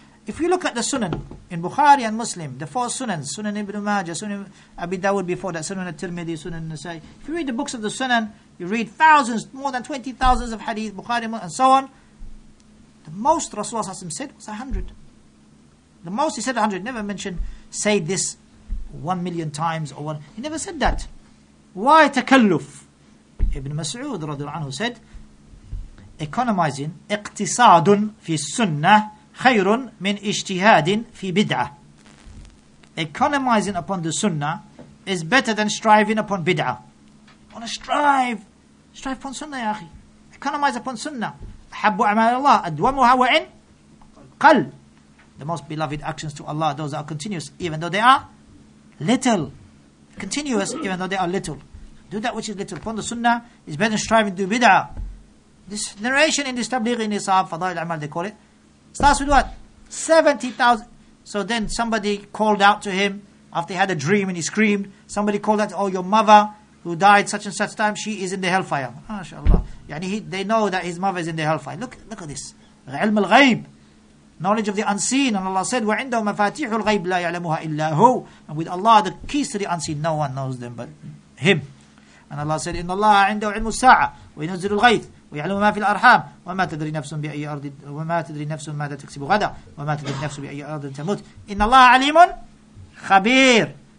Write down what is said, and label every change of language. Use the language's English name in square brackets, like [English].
[English] If you look at the Sunan in Bukhari and Muslim, the four Sunans, Sunan ibn Majah, Sunan Abi Dawud before that, Sunan al-Tirmidhi, Sunan al-Nasai, if you read the books of the Sunan, you read thousands, more than 20,000 of hadith, Bukhari and so on, the most Rasulullah s.a.w. said was 100. The most he said 100, never mentioned, say this 1,000,000 times or one. He never said that. Why takalluf? Ibn Mas'ud radiallahu anhu said, economizing, [Arabic] اقتصادٌ في السنة خيرٌ من اجتهادٍ في بدعة. [English] Economizing upon the sunnah is better than striving upon bid'ah. Wanna strive upon sunnah, ya akhi. Economize upon sunnah. [Arabic] أحب أعمال الله أدومها وإن قل. [English] The most beloved actions to Allah, those are continuous, even though they are little. Continuous, even though they are little. Do that which is little. Upon the sunnah is better than striving to do bid'ah. This narration in this tabligh nisab, Fadail Amal, they call it, starts with what? 70,000. So then somebody called out to him after he had a dream and he screamed. Somebody called out, oh, your mother who died such and such time, she is in the hellfire. MashaAllah. Yani they know that his mother is in the hellfire. Look at this. [Arabic] علم الغيب. [English] Knowledge of the unseen. And Allah said, [Arabic] وَعِنْدَهُ مَفَاتِيحُ الْغَيْبِ لَا يَعْلَمُهَا إِلَّا هُوْ. [English] And with Allah, the keys to the unseen, no one knows them but him. And Allah said, [Arabic] إِنَّ اللَّهَ عِنْدَهُ عِلْمُ السَّاعَةِ وَيُنَزِّلُ الْغَيْثَ وَيَعْلَمُ مَا فِي الْأَرْحَامِ وَمَا تَدْرِي نَفْسٌ بِأَيِّ أَرْضٍ وَمَا تَدْرِي نَفْسٌ مَاذَا تَكْسِبُ غَدًا وَمَا تَدْرِي نَفْسٌ بِأَيِّ أَرْضٍ تَمُوتُ إِنَّ اللَّهَ عَلِيمٌ خَبِيرٌ.